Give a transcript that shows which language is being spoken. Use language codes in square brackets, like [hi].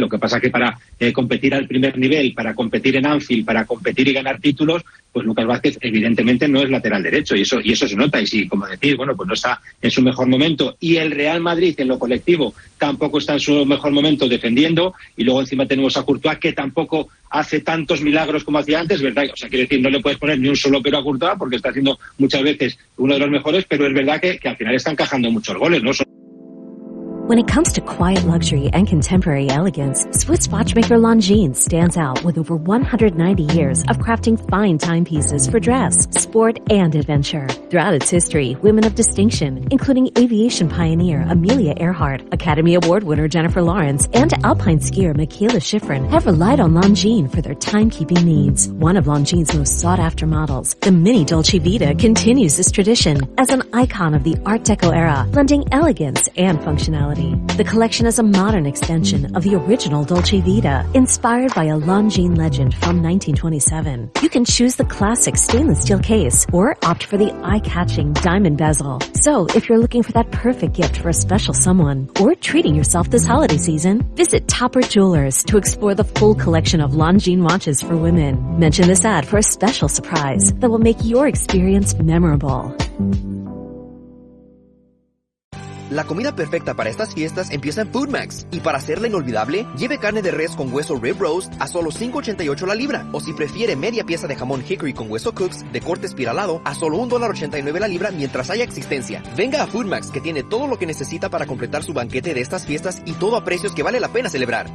[es] Lo que pasa que para competir al primer nivel, para competir en Anfield, para competir y ganar títulos, pues Lucas Vázquez evidentemente no es lateral derecho, y eso se nota. Y si, como decís, bueno, pues no está en su mejor momento, y el Real Madrid en lo colectivo tampoco está en su mejor momento defendiendo, y luego encima tenemos a Courtois, que tampoco hace tantos milagros como hacía antes, ¿verdad? O sea, quiere decir, no le puedes poner ni un solo pero a Courtois, porque está siendo muchas veces uno de los mejores, pero es verdad que al final está encajando muchos goles, ¿no? [en] When it comes to quiet luxury and contemporary elegance, Swiss watchmaker Longines stands out with over 190 years of crafting fine timepieces for dress, sport, and adventure. Throughout its history, women of distinction, including aviation pioneer Amelia Earhart, Academy Award winner Jennifer Lawrence, and alpine skier Michaela Schifrin, have relied on Longines for their timekeeping needs. One of Longines' most sought-after models, the Mini Dolce Vita, continues this tradition as an icon of the Art Deco era, blending elegance and functionality. The collection is a modern extension of the original Dolce Vita, inspired by a Longines legend from 1927. You can choose the classic stainless steel case or opt for the eye-catching diamond bezel. So, if you're looking for that perfect gift for a special someone or treating yourself this holiday season, visit Topper Jewelers to explore the full collection of Longines watches for women. Mention this ad for a special surprise that will make your experience memorable. [es] La comida perfecta para estas fiestas empieza en Food Max. Y para hacerla inolvidable, lleve carne de res con hueso Rib Roast a solo $5.88 la libra. O si prefiere, media pieza de jamón Hickory con hueso Cooks de corte espiralado a solo $1.89 la libra mientras haya existencia. Venga a Food Max, que tiene todo lo que necesita para completar su banquete de estas fiestas y todo a precios que vale la pena celebrar.